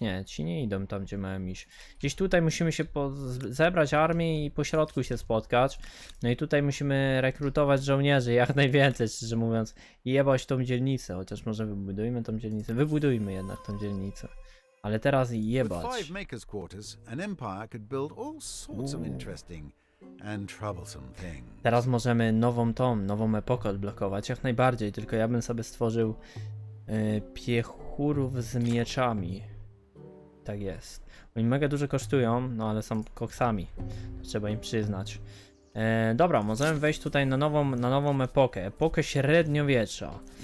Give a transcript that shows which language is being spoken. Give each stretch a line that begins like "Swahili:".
Polish: Nie, ci nie idą tam, gdzie mają iść. Gdzieś tutaj musimy się zebrać armię i po środku się spotkać. No i tutaj musimy rekrutować żołnierzy, jak najwięcej, szczerze mówiąc. I jebać tą dzielnicę, chociaż może wybudujmy tą dzielnicę. Wybudujmy jednak tą dzielnicę. Ale teraz
English: With five
Polish: jebać.
English: makers' quarters, an empire could build all sorts of interesting and troublesome things.
Polish: Teraz możemy nową epokę odblokować, jak najbardziej, tylko ja bym sobie stworzył piechurów z mieczami. Tak jest. Oni mega dużo kosztują, no ale są koksami. Trzeba im przyznać. Dobra, możemy wejść tutaj na nową epokę. Epokę średniowiecza.